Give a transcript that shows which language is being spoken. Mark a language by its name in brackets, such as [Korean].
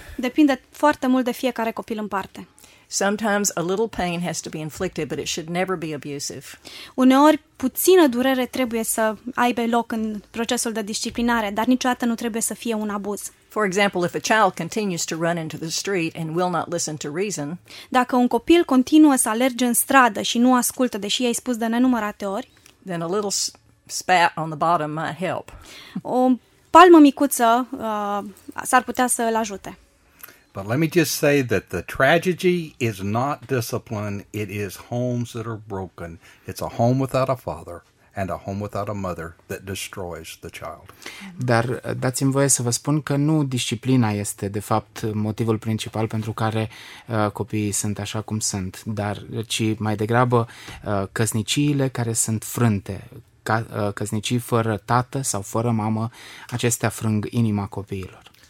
[Romanian] Depinde foarte mult de fiecare copil în parte. [English] Sometimes a little pain has to be inflicted, but it should never be abusive. [Romanian] Uneori puțină durere trebuie să aibă loc în procesul de disciplinare, dar niciodată nu trebuie să fie un abuz. [English] For example, if a child continues to run into the street and will not listen to reason, [Romanian] dacă un copil continuă să alerge în stradă și nu ascultă, deși i-ai spus de nenumărate ori, [English] then a little spat on the bottom might help. [Romanian] O palmă micuță s-ar putea să îl ajute. [English] But let me just say that the tragedy is not discipline. It is homes that are broken. It's a home without a father and a home without a mother that destroys the child. [Romanian] Dar dați-mi voie să vă spun că nu disciplina este de fapt motivul principal pentru care copiii sunt așa cum sunt, dar ci mai degrabă căsniciile care sunt frânte, căsnicii fără tată sau fără mamă, acestea frâng inima copiilor.